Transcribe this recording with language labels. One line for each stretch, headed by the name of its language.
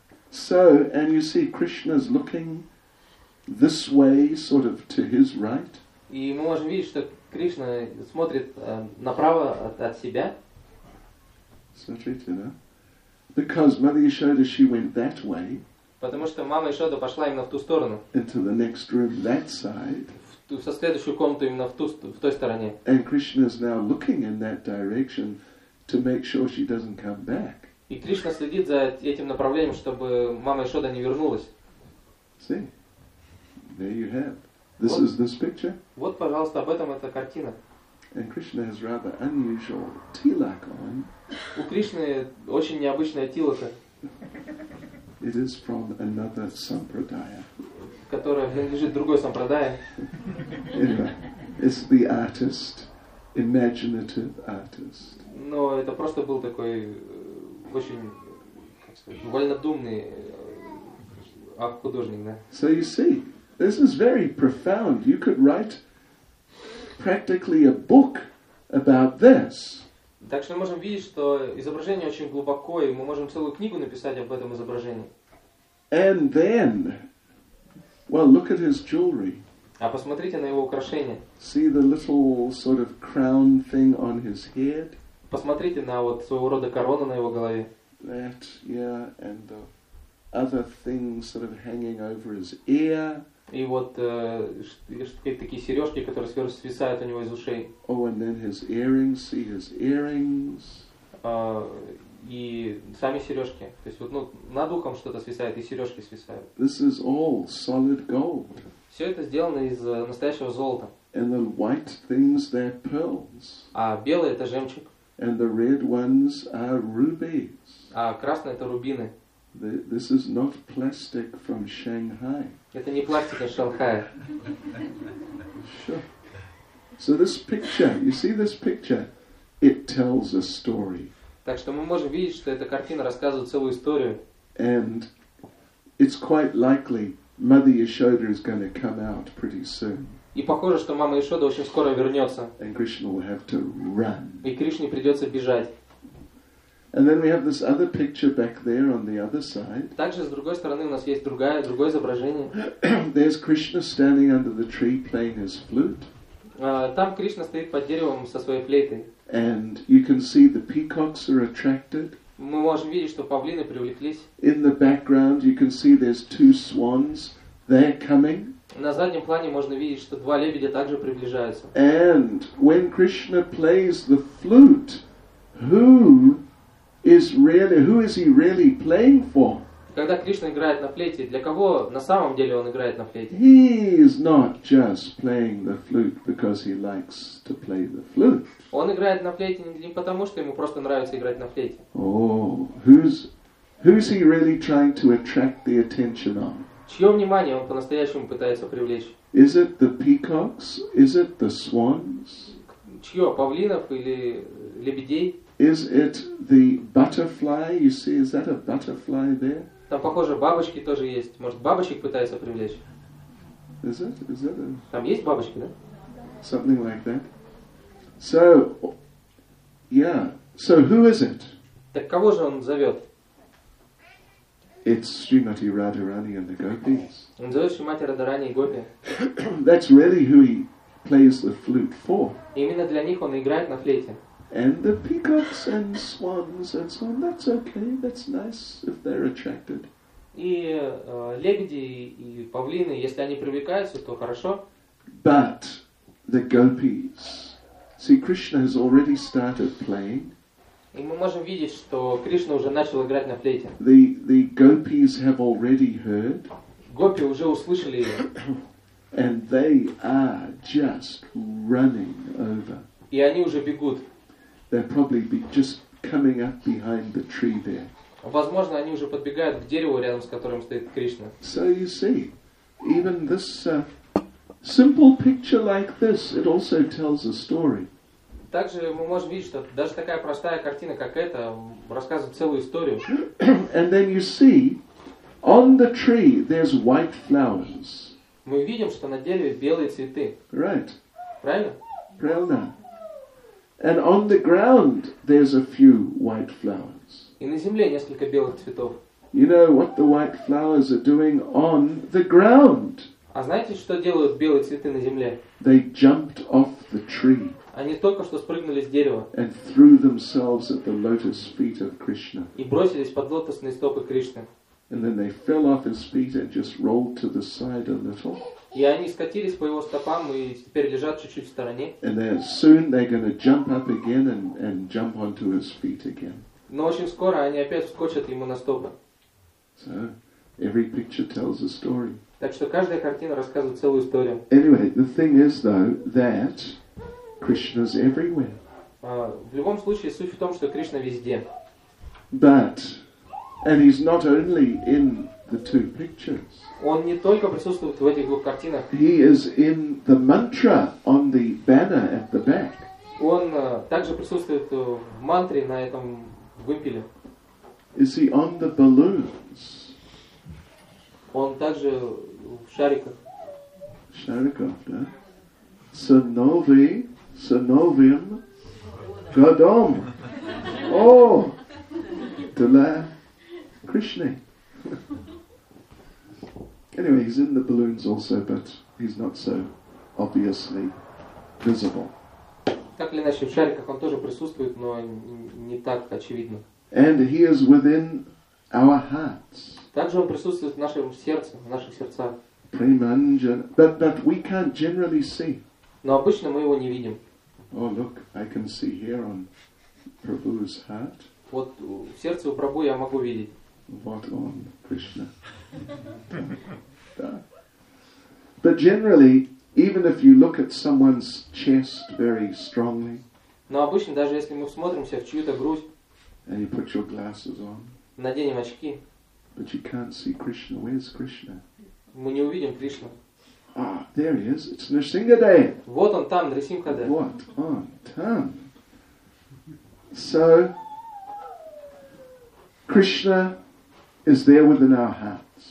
English: So, and you see, Krishna's looking this way, sort of to his right.
Russian: И мы можем видеть, что Кришна смотрит направо от себя. Смотрите, да?
English: Because Mother Yashoda, she went that way.
Russian: Потому что мама Яшода пошла именно в ту сторону.
English: Into the next room, that side.
Russian: В следующую комнату именно в той стороне.
English: And Krishna is now looking in that direction to make sure she doesn't come back.
Russian: И Кришна следит за этим направлением, чтобы мама Яшода не вернулась.
English: See? There you have. This is this picture.
Russian: Вот, пожалуйста, об этом эта картина.
English: And Krishna has rather unusual tilak on.
Russian: У Кришны очень необычная тилака.
English: It is from another sampradaya.
Russian: Которая принадлежит другой сампрадае.
English: It's the artist, imaginative artist.
Russian: Но это просто был такой очень, как сказать, вольнодумный художник, да?
English: So you see, this is very profound. You could write practically a book about this.
Russian: Так что мы можем видеть, что изображение очень глубоко, и мы можем целую книгу написать об этом изображении.
English: And then, well, look at his jewelry.
Russian: А посмотрите на его украшения.
English: See the little sort of crown thing on his head.
Russian: Посмотрите на вот своего рода корону на его голове.
English: That, yeah, and the other things sort of hanging over his ear.
Russian: И вот такие сережки, которые сверху свисают у него из ушей.
English: Oh, and then his earrings, see his earrings.
Russian: И сами сережки. То есть вот над ухом что-то свисает, и сережки свисают.
English: This is all solid gold.
Russian: Все это сделано из настоящего золота.
English: And the white things, they're pearls.
Russian: А белые — это жемчуг.
English: And the red ones are rubies.
Russian: А красные — это рубины.
English: This is not plastic from Shanghai.
Russian: Это не пластик из Шанхая.
English: Sure. So this picture, you see this picture, it tells a story.
Russian: Так что мы можем видеть, что эта картина рассказывает целую историю.
English: And it's quite likely Mother Yashoda is going to come out pretty soon.
Russian: И похоже, что мама Яшода очень скоро вернется.
English: And Krishna will have to run.
Russian: И Кришне придется бежать.
English: And then we have this other picture back there on the other side.
Russian: Также с другой стороны у нас есть другое изображение.
English: There's Krishna standing under the tree playing his flute.
Russian: Там Кришна стоит под деревом со своей флейтой.
English: And you can see the peacocks are attracted.
Russian: Мы можем видеть, что павлины привлеклись.
English: In the background you can see there's two swans. They're coming.
Russian: На заднем плане можно видеть, что два лебедя также приближаются.
English: And when Krishna plays the flute, who is really, who is he really playing for?
Russian: Когда Кришна играет на флейте, для кого на самом деле он играет на флейте?
English: He is not just playing the flute because he likes to play the flute.
Russian: Он играет на флейте не потому, что ему просто нравится играть на флейте.
English: Oh, who's he really trying to attract the attention of?
Russian: Чье внимание он по-настоящему пытается привлечь?
English: Is it the peacocks? Is it the swans?
Russian: Чьё, павлинов или лебедей?
English: Is it the butterfly? You see, is that a butterfly there?
Russian: Там, похоже, бабочки тоже есть. Может, бабочек пытаются привлечь?
English: Is it?
Russian: Там есть бабочки, да?
English: Something like that. So, yeah. So who is it?
Russian: Так кого же он зовёт?
English: It's Srimati Radharani and the Gopis.
Russian: Он зовёт Шримати Радхарани и Гопи.
English: That's really who he plays the flute for.
Russian: Именно для них он играет на флейте.
English: And the peacocks and swans and so on, that's okay, that's nice if they're attracted.
Russian: И лебеди и павлины, если они привлекаются, то хорошо.
English: But the gopis. See, Krishna has already started playing.
Russian: И мы можем видеть, что Кришна уже начал играть на флейте.
English: The gopis have already heard.
Russian: Гопи уже услышали её.
English: And they are just running over.
Russian: И они уже бегут.
English: They're probably just coming up behind the tree there.
Russian: Возможно, они уже подбегают к дереву, рядом с которым стоит Кришна.
English: So you see, even this simple picture like this, it also tells a story.
Russian: Также мы можем видеть, что даже такая простая картина, как эта, рассказывает целую историю.
English: And then you see, on the tree there's white flowers.
Russian: Мы видим, что на дереве белые цветы.
English: Right.
Russian: Правильно? Правильно.
English: And on the ground there's a few white flowers.
Russian: И на земле несколько белых цветов.
English: You know what the white flowers are doing on the ground?
Russian: А знаете, что делают белые цветы на земле?
English: They jumped off the tree.
Russian: Они только что спрыгнули с дерева.
English: And threw themselves at the lotus feet of Krishna.
Russian: И бросились под лотосные стопы Кришны.
English: And then they fell off his feet and just rolled to the side a little.
Russian: И они скатились по его стопам и теперь лежат чуть-чуть в стороне.
English: And then soon they're going to jump up again and jump onto his feet again.
Russian: Но очень скоро они опять вскочат ему на стопы.
English: So every picture tells a story.
Russian: Так что каждая картина рассказывает целую историю.
English: Anyway, the thing is though that Krishna's everywhere.
Russian: В любом случае суть в том, что Кришна везде.
English: But and he's not only in the two pictures.
Russian: Он не только присутствует в этих двух картинах.
English: He is in the mantra on the banner at the back.
Russian: Он также присутствует в мантре на этом вымпеле.
English: Is he on the balloons?
Russian: Он также в шариках. Шариков, да? Sanovi, Sanovim, Gadom. Oh, Dala, Krishna.
English: Anyway, he's in the balloons also, but he's not so obviously visible.
Russian: Так или иначе, в шариках он тоже присутствует, но не так очевидно.
English: And he is within our hearts.
Russian: Также он присутствует в нашем сердце, в наших сердцах.
English: Приманджана. But we can't generally see.
Russian: Но обычно мы его не видим.
English: Oh, look, I can see here on Prabhu's heart.
Russian: Вот в сердце у Прабху я могу видеть.
English: What on Krishna? But generally, even if you look at someone's chest very strongly,
Russian: но обычно даже если мы всмотримся в чью-то грудь,
English: and you put your glasses on,
Russian: наденем очки,
English: but you can't see Krishna. Where's Krishna?
Russian: Мы не увидим Кришну.
English: Ah, there he is. It's Nrisimhadev.
Russian: Вот он там, Нрисимхадев.
English: What on там? So Krishna is there within our hearts.